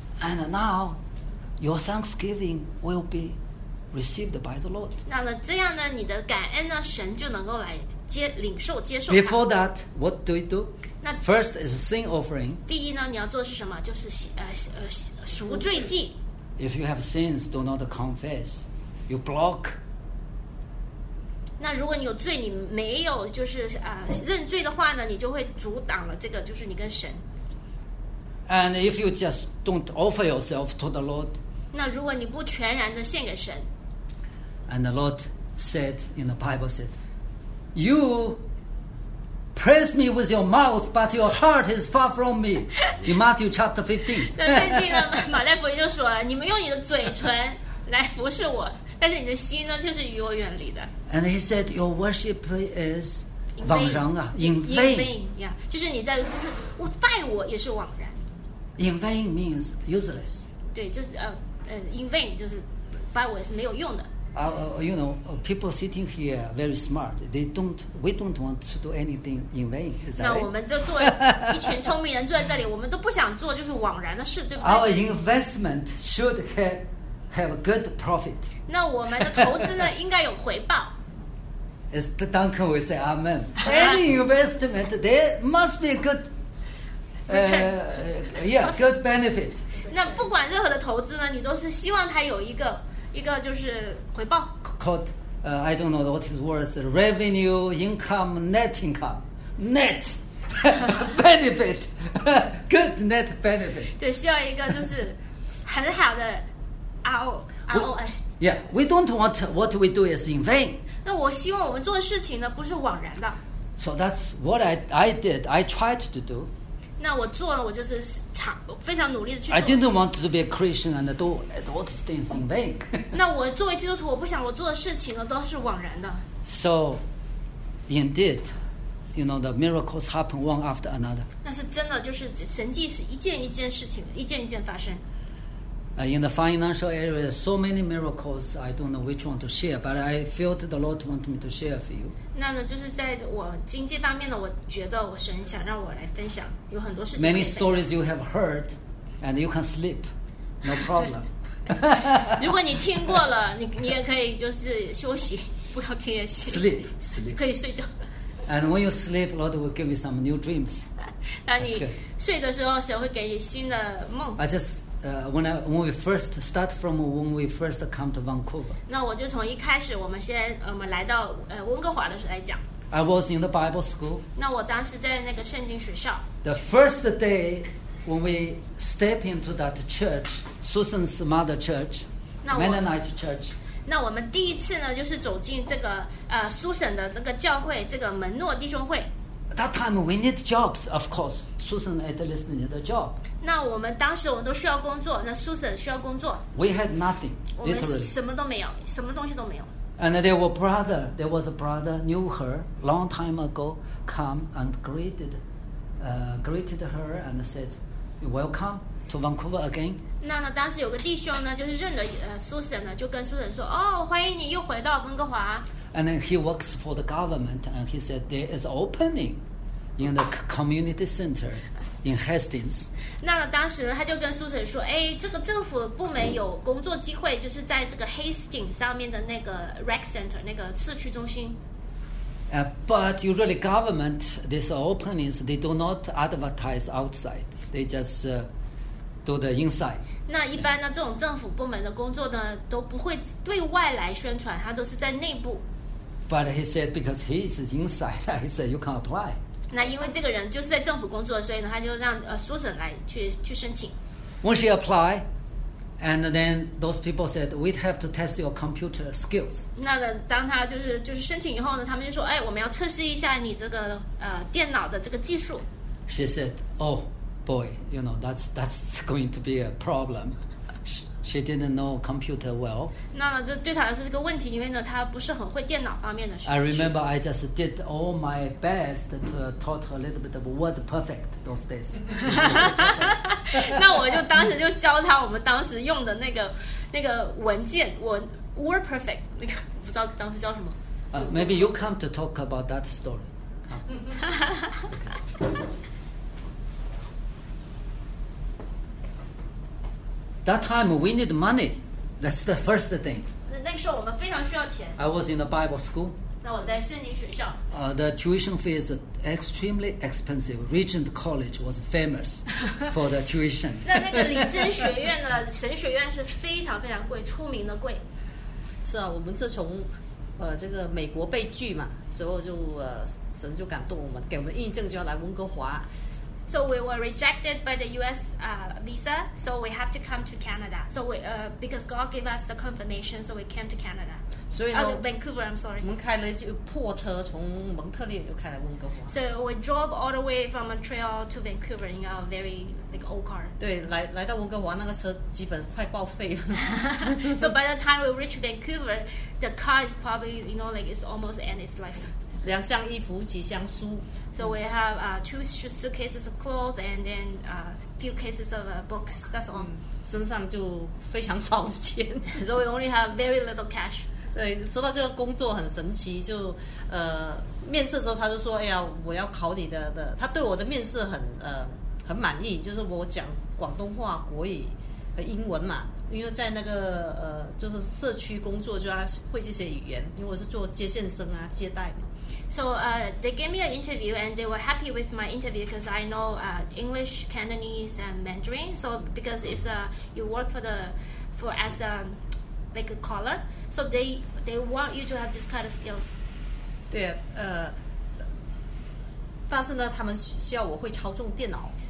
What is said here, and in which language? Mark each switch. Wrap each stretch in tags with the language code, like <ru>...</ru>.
<en>And now, your thanksgiving will be received by the Lord.</en> <zh>那呢，这样呢，你的感恩呢，神就能够来领受接受。</zh> <en>Before that, what do you do?</en> <zh>那</zh> <en>first is sin offering.</en> <zh>第一呢，你要做是什么？就是赎罪祭。</zh> <en>If you have sins, do not confess. You block.</en> <zh>那如果你有罪，你没有就是认罪的话呢，你就会阻挡了这个，就是你跟神。</zh> <en>And if you just don't offer yourself to the Lord,</en> <zh>那如果你不全然的献给神，</zh> <en>And the Lord said in the Bible said, "You praise me with your mouth, but your heart is far from me." In Matthew chapter 15.</en> <zh>那圣经呢？马太福音就说了，你们用你的嘴唇来服侍我，但是你的心呢，却是与我远离的。</zh> <en>And he said, "Your worship is</en> <zh>枉然啊</zh> <en>，in vain."</en> <zh>Yeah, 就是你在，就是我拜我也是枉然。</zh> <en>In vain means useless.</en> <zh>对，就是</zh> <en>in vain</en> <zh>就是拜我是没有用的。</zh> <en>You know, people sitting here very smart. We don't want to do anything in vain.</en> <zh>那我们就做一群聪明人坐在这里，我们都不想做就是枉然的事，对不对</zh> <en>？Our investment should have a good profit.</en> <zh>那我们的投资呢，应该有回报。</zh> <en>As Duncan will say, "Amen." Any investment, there must be a good. good benefit.</en> <zh>那不管任何的投资呢，你都是希望它有一个就是回报。</zh> <en>Called, I don't know what his words. Revenue, income, net income, net benefit, good net benefit.</en> <zh>对，需要一个就是很好的 ROI.</zh> <en>Yeah, we don't want what we do is in vain.</en> <zh>那我希望我们做的事情呢，不是枉然的。</zh> <en>So that's what I did. I tried to do.</en> <zh>那我做了，我就是非常努力的去做。</zh> <en>I didn't want to be a Christian and do all these things in vain.</en> <zh>那我作为基督徒，我不想我做的事情呢都是枉然的。</zh> <en>So, indeed, you know the miracles happen one after another.</en> <zh>那是真的，就是神迹是一件一件事情，一件一件发生。</zh> <en>In the financial area, so many miracles. I don't know which one to share, but I felt the Lord wanted me to share for you.</en> <zh>那呢，就是在我经济方面呢，我觉得我神想让我来分享，有很多事情。</zh> <en>Many stories you have heard, and you can sleep, no problem.</en> <zh>如果你听过了，你也可以就是休息，不要听也行。</zh> <en>Sleep,</en> <zh>可以睡觉。</zh> <en>And when you sleep, Lord will give you some new dreams.</en> <zh>那你睡的时候，神会给你新的梦。</zh> <en>I just. When we first come to Vancouver.</en> <zh>那我就从一开始，我们先来到温哥华的时候来讲。</zh> <en>I was in the Bible school.</en> <zh>那我当时在那个圣经学校。</zh> <en>The first day when we step into that church, Susan's mother church, Mennonite church.</en> <zh>那我们第一次呢，就是走进这个Susan 的那个教会，这个门诺弟兄会。</zh> <en>That time we need jobs, of course. Susan at least needed a job.</en> <zh>那我们当时我们都需要工作，那 Susan 需要工作。</zh> <en>We had nothing, literally.</en> <zh>我们什么都没有，什么东西都没有。</zh> <en>And there was a brother knew her long time ago, come and greeted her and said, "Welcome to Vancouver again."</en> <zh>那呢，当时有个弟兄呢，就是认得Susan 呢，就跟 Susan 说，哦，欢迎你又回到温哥华。</zh> <en>And then he works for the government, and he said there is opening in the community center in Hastings.</en> <zh>那当时他就跟苏神说，哎，这个政府部门有工作机会，就是在这个 Hastings 上面的那个</zh> <en>rec center</en> <zh>那个社区中心。</zh> <en>But usually government these openings they do not advertise outside; they just do the inside.</en> <zh>那一般呢，这种政府部门的工作呢，都不会对外来宣传，它都是在内部。</zh> <en>But he said because he is inside, he said you can apply.</en> <zh>那因为这个人就是在政府工作，所以呢，他就让Susan 来去申请。</zh> <en>When she applied, and then those people said we'd have to test your computer skills.</en> <zh>那当他就是申请以后呢，他们就说，哎，我们要测试一下你这个电脑的这个技术。</zh> <en>She said, "Oh boy, you know that's going to be a problem." She didn't know computer well.</en> <zh>那这对她来说是个问题，因为呢，她不是很会电脑方面的事情。</zh> <en>I remember I just did all my best to taught her a little bit of Word Perfect those days.</en> <zh>那我就当时就教她我们当时用的那个文件Word Perfect 那个，我不知道当时叫什么。</zh> <en>Maybe you come to talk about that story. That time we need money. That's the first thing.</en> <zh>那个时候我们非常需要钱。</zh> <en>I was in a Bible school.</en> <zh>那我在圣经学校。</zh> <en>The tuition fee is extremely expensive. Regent College was famous for the tuition.</en> <zh>那个林真学院呢？神学院是非常非常贵，出名的贵。是啊，我们自从这个美国被拒嘛，所以就神就感动我们，给我们印证就要来温哥华。</zh> <en>So we were rejected by the U.S. Visa, so we have to come to Canada. So we, because God gave us the confirmation, so we came to Canada. Vancouver, I'm sorry.</en> <zh>我们开了一些破车，从蒙特利尔就开了温哥华。</zh> <en>So we drove all the way from Montreal to Vancouver in a very like old car.</en> <zh>对，来到温哥华，那个车基本快报废了。</zh> <en>So by the time we reach Vancouver, the car is probably, you know, like it's almost end its life.</en> <zh>两箱衣服，几箱书。</zh> <en>So we have two suitcases of clothes and then a few cases of books. That's all.</en> <zh>身上就非常少的钱。</zh> <en>So we only have very little cash.</en> <zh>对，说到这个工作很神奇，就面试的时候他就说，哎呀，我要考你的。他对我的面试很满意，就是我讲广东话、国语和英文嘛。因为在那个就是社区工作，就要会这些语言。因为我是做接线生啊，接待嘛。</zh> <en>So they gave me an interview and they were happy with my interview because I know English, Cantonese and Mandarin. So because it's you work as a caller. So they want you to have this kind of skills.</en> <zh>对，但是呢他们需要我会操纵电脑。</zh>